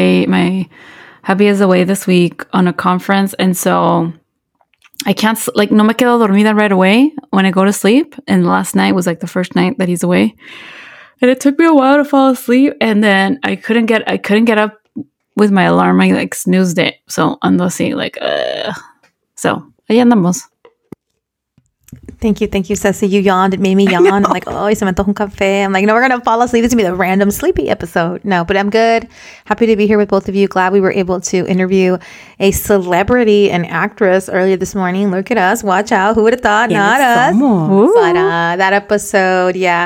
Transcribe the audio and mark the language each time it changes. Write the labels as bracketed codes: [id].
[en] My hubby is away this week on a conference, and so I can't, like, [es] no me quedo dormida [en] right away when I go to sleep. And last night was like the first night that he's away, and it took me a while to fall asleep. And then I couldn't get up with my alarm. I like snoozed it. So [es] ando así, [en] like, so [es] ahí andamos. [en] Thank you, Ceci. You yawned. It made me yawn. I'm like, oh, [es] se me antoja un café. [en] I'm like, no, we're going to fall asleep. It's going to be the random sleepy episode. No, but I'm good. Happy to be here with both of you. Glad we were able to interview a celebrity and actress earlier this morning. Look at us. Watch out. Who would have thought? Not us. But that episode, yeah.